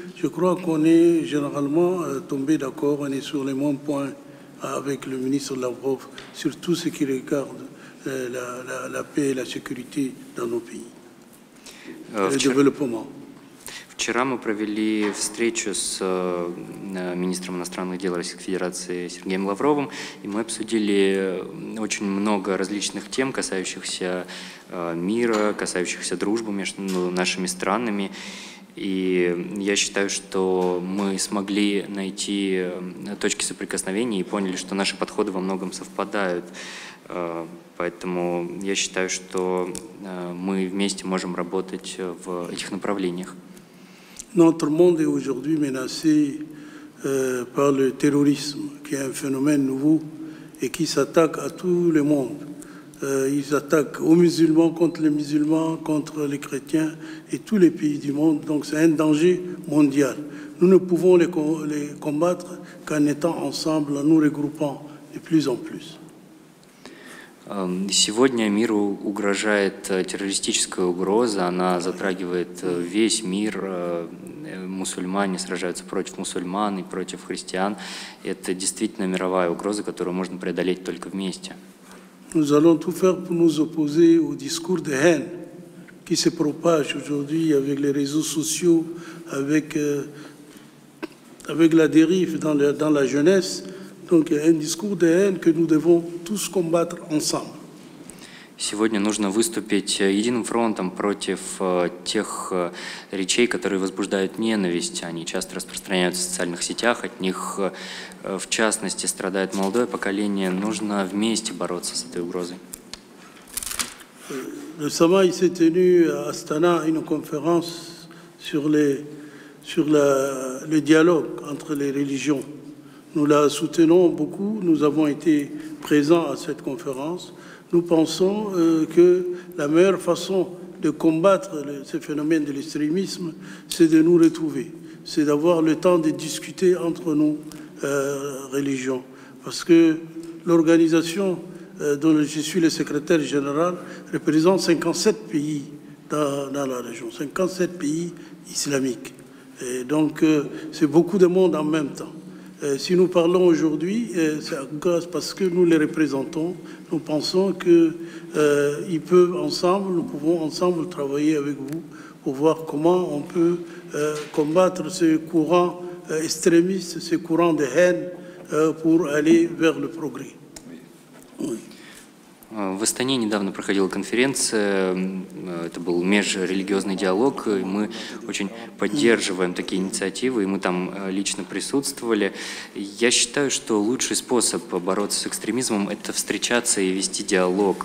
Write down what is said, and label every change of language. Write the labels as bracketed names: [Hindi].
[French] Je crois qu'on est généralement tombé d'accord, on est sur les mêmes points avec le ministre Lavrov sur tout ce qui regarde la paix et la sécurité dans nos pays, le développement. [Russian] Вчера мы провели встречу с министром иностранных дел Российской Федерации Сергеем Лавровым, и мы обсудили очень много различных тем, касающихся мира, касающихся дружбы между нашими странами. И я считаю, что мы смогли найти точки соприкосновения и поняли, что наши подходы во многом совпадают. Поэтому я считаю, что мы вместе можем работать в этих направлениях. [French] Notre monde est aujourd'hui menacé par le terrorisme, qui est un phénomène nouveau et qui s'attaque à tout le monde. Ils attaquent aux musulmans, contre les chrétiens et tous les pays du monde. Donc c'est un danger mondial. Nous ne pouvons les combattre qu'en étant ensemble, en nous regroupant de plus en plus. [Russian] Сегодня миру угрожает террористическая угроза, она затрагивает весь мир, мусульмане сражаются против мусульман и против христиан. Это действительно мировая угроза, которую можно преодолеть только вместе. [French] Nous allons tout faire pour nous opposer au discours de haine qui se propage aujourd'hui avec les réseaux sociaux, avec la dérive dans la jeunesse. Donc un discours de haine que nous devons tous combattre ensemble. [Russian] Сегодня нужно выступить единым фронтом против тех речей, которые возбуждают ненависть. Они часто распространяются в социальных сетях. От них, в частности, страдает молодое поколение. Нужно вместе бороться с этой угрозой. [French] Le Samaï s'est tenu à Astana une conférence sur le dialogue entre les religions. Nous la soutenons beaucoup, nous avons été présents à cette conférence. Nous pensons que la meilleure façon de combattre ce phénomène de l'extrémisme, c'est de nous retrouver, c'est d'avoir le temps de discuter entre nos religions. Parce que l'organisation dont je suis le secrétaire général représente 57 pays dans la région, 57 pays islamiques. Et donc c'est beaucoup de monde en même temps. Si nous parlons aujourd'hui, c'est parce que nous les représentons. Nous pensons qu'ils peuvent ensemble, nous pouvons ensemble travailler avec vous pour voir comment on peut combattre ce courant extrémiste, ce courant de haine pour aller vers le progrès. Oui. [Russian] В Астане недавно проходила конференция, это был межрелигиозный диалог, и мы очень поддерживаем такие инициативы, и мы там лично присутствовали. Я считаю, что лучший способ бороться с экстремизмом – это встречаться и вести диалог.